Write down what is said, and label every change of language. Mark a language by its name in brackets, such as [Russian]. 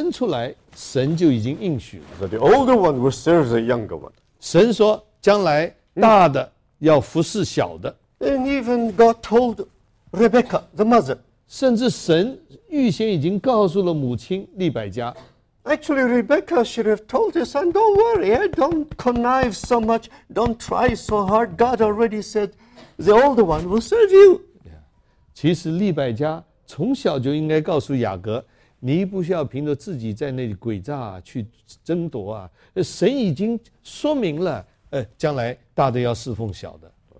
[Chinese] 其实雅各还没有生出来，神就已经应许了。 [English] So the older one will serve the younger one. [Chinese] 神说将来大的要服侍小的。 [English] And even God told Rebecca, the mother. [Chinese] 甚至神预先已经告诉了母亲利百加。 [English] Actually, Rebecca should have told her son, don't worry, don't connive so much, don't try so hard. God already said, the older one will serve you. Yeah. [Chinese] 其实利百加从小就应该告诉雅各，你不需要凭着自己在那里诡诈去争夺啊。神已经说明了，将来大的要侍奉小的。